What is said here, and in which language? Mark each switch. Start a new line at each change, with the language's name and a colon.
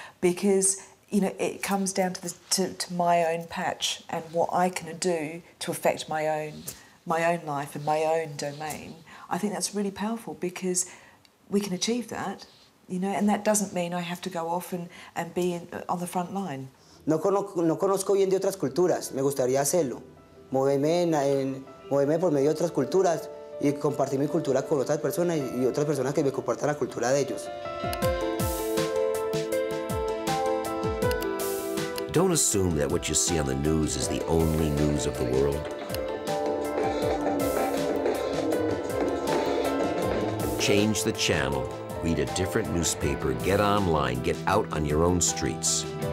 English: Because, you know, it comes down to my own patch and what I can do to affect my own life and my own domain. I think that's really powerful, because we can achieve that, you know, and that doesn't mean I have to go off and be on the front line.
Spanish: No conozco bien de otras culturas. Me gustaría hacerlo. Moverme por medio de otras culturas y compartir mi cultura con otras personas y otras personas que me compartan la cultura de ellos.
English: Don't assume that what you see on the news is the only news of the world. Change the channel, read a different newspaper, get online, get out on your own streets.